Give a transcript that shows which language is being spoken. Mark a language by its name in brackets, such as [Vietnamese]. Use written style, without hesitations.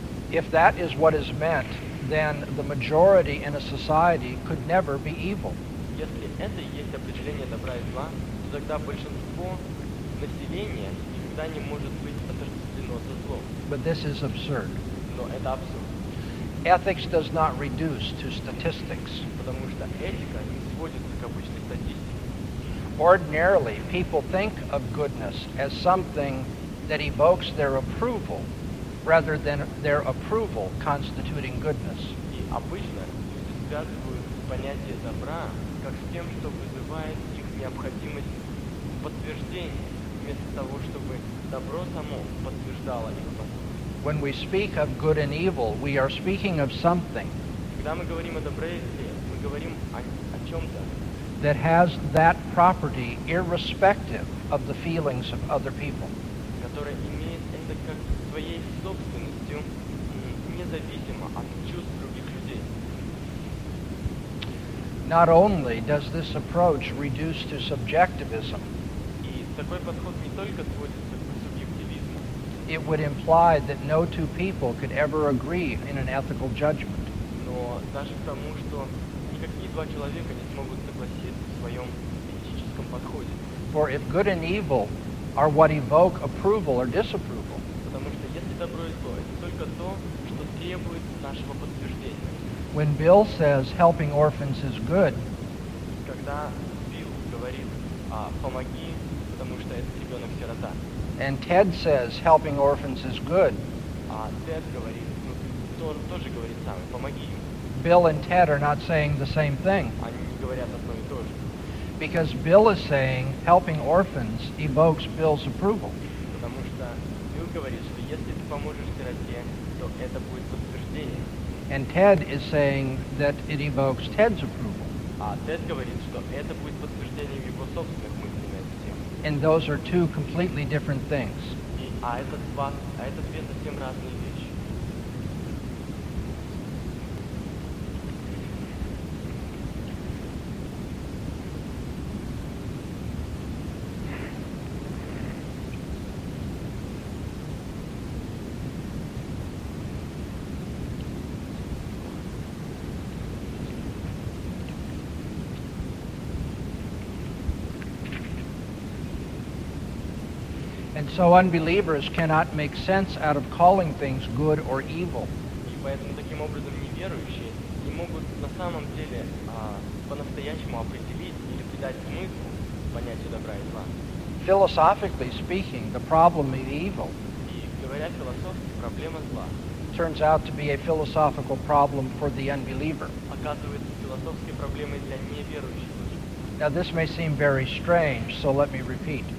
[English] If that is what is meant, then the majority in a society could never be evil. [Russian] Если это и есть определение добра и зла, то тогда большинство населения никогда не может быть отождествлено со злом. [English] But this is absurd. [Russian] Но это абсурд. [English] Ethics does not reduce to statistics. [Russian] Потому что этика не сводится к обычной статистике. [English] Ordinarily, people think of goodness as something that evokes their approval rather than their approval constituting goodness. [Russian] И обычно люди связывают понятие добра как с тем, что вызывает их необходимость подтверждения, вместо того, чтобы добро само подтверждало их поступки. [English] When we speak of good and evil, we are speaking of something. [Russian] Когда мы говорим о добре и зле, мы говорим о чем-то. [English] That has that property irrespective of the feelings of other people. [Russian] Которая имеет это как своей собственностью, независимо от чувств других людей. [English] Not only does this approach reduce to subjectivism, [Russian] и такой подход не только сводится к субъективизму, [English] it would imply that no two people could ever agree in an ethical judgment. [Russian] Но даже к тому, что никакие два человека не смогут согласиться в своем этическом подходе. [English] For if good and evil are what evoke approval or disapproval, [Russian] потому что если добро и зло, это только то, что требует нашего подтверждения. [English] When Bill says helping orphans is good, [Russian] когда Билл говорит, помоги, потому что этот ребенок сирота, [English] and Ted says helping orphans is good, [Russian] Тед говорит, тоже говорит сам, помоги им. [English] Bill and Ted are not saying the same thing. [Russian] Они не говорят одно и то же. [English] Because Bill is saying helping orphans evokes Bill's approval. [Russian] Потому что Билл говорит, что если ты поможешь сироте, то это будет подтверждение. [English] And Ted is saying that it evokes Ted's approval. [Russian] Тед говорит, что это будет подтверждением его собственных мыслей на эту тему. [English] And those are two completely different things. [Russian] Это две совсем разные вещи. [English] So unbelievers cannot make sense out of calling things good or evil. [Russian] И поэтому таким образом неверующие не могут на самом деле по-настоящему определить или придать смысл понятию добра и зла. [English] Philosophically speaking, the problem of evil, [Russian] и говоря философски, проблема зла, [English] turns out to be a philosophical problem for the unbeliever. [Russian] Оказывается, философские проблемы для неверующих. [English] Now this may seem very strange, so let me repeat.